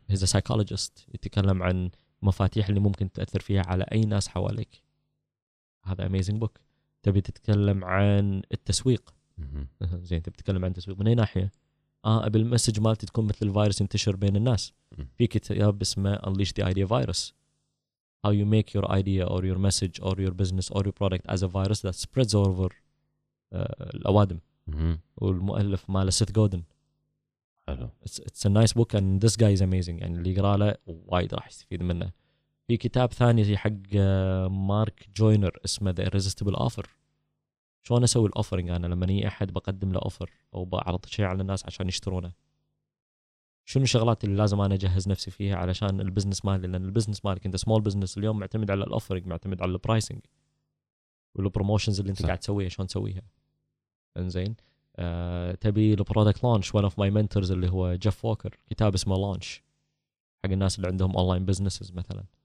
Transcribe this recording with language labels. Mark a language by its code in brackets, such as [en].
[en] he's a psychologist, [ar] يتكلم عن مفاتيح اللي ممكن تاثر فيها على اي ناس حواليك. هذا [en] Amazing book. [ar] تبي تتكلم عن التسويق زين تبي تتكلم عن التسويق من اي ناحيه؟ قبل المسج مالتي تكون مثل الفيروس ينتشر بين الناس. في كتاب اسمه Unleash the Idea Virus. [en] How you make your idea or your message or your business or your product as a virus that spreads over [ar] الأوادم. والمؤلف ماله سيث جودن. حلو. [en] It's a nice book and this guy is amazing. [ar] يعني اللي يقرأ له وايد راح يستفيد منه. في كتاب ثاني زي حق مارك جوينر اسمه The Irresistible Offer. شو أنا أسوي الأوفرينج أنا لما أي أحد بقدم له أوفر أو بعرض شيء على الناس عشان يشترونه؟ شنو الشغلات اللي لازم أنا أجهز نفسي فيها علشان البزنس مالي؟ لأن البزنس مالك أنت سمول بزنس اليوم معتمد على الأوفرينج، معتمد على البرايسينج والبروموشنز اللي أنت قاعد تسويها، شلون تسويها؟ إنزين تبي البرودكت لانش؟ [en] one of my mentors [ar] اللي هو جيف ووكر كتاب اسمه لانش حق الناس اللي عندهم أونلاين بزنسز مثلاً.